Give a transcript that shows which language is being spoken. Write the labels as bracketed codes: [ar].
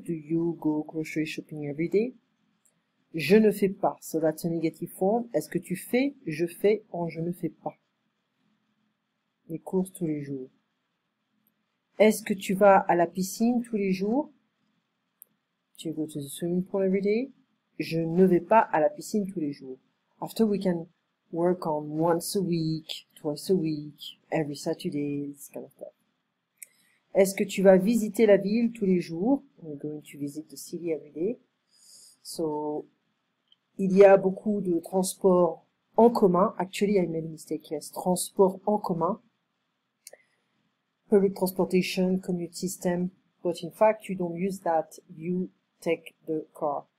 [en] Do you go grocery shopping every day? [fr] Je ne fais pas. [en] So that's a negative form. [fr] Est-ce que tu fais? Je fais en je ne fais pas. Les courses tous les jours. Est-ce que tu vas à la piscine tous les jours? [en] Do you go to the swimming pool every day? [fr] Je ne vais pas à la piscine tous les jours. [en] After we can work on once a week, twice a week, every Saturday, this kind of stuff. [fr] Est-ce que tu vas visiter la ville tous les jours? [en] We're going to visit the city every day. [fr] So, il y a beaucoup de transports en commun. [en] Actually, I made a mistake. Yes, transports en commun. Public transportation, commute system. But in fact, you don't use that. You take the car.